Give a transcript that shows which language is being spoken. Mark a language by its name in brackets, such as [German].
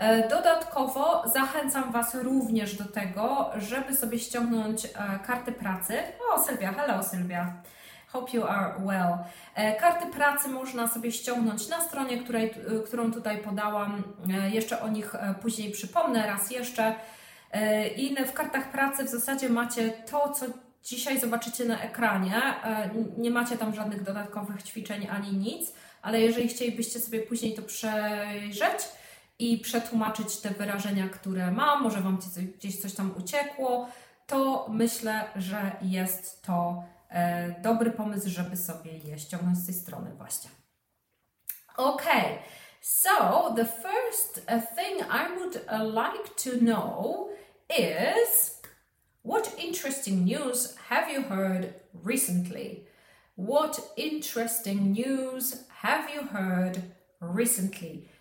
[Polish] Dodatkowo zachęcam Was również do tego, żeby sobie ściągnąć karty pracy. [English] O, Sylwia, hello Sylwia, hope you are well. [Polish] Karty pracy można sobie ściągnąć na stronie, którą tutaj podałam. Jeszcze o nich później przypomnę raz jeszcze. I w kartach pracy w zasadzie macie to, co dzisiaj zobaczycie na ekranie, nie macie tam żadnych dodatkowych ćwiczeń ani nic, ale jeżeli chcielibyście sobie później to przejrzeć i przetłumaczyć te wyrażenia, które mam, może Wam gdzieś coś tam uciekło, to myślę, że jest to dobry pomysł, żeby sobie je ściągnąć z tej strony właśnie. [English] Ok, so the first thing I would like to know is... What interesting news have you heard recently? What interesting news have you heard recently?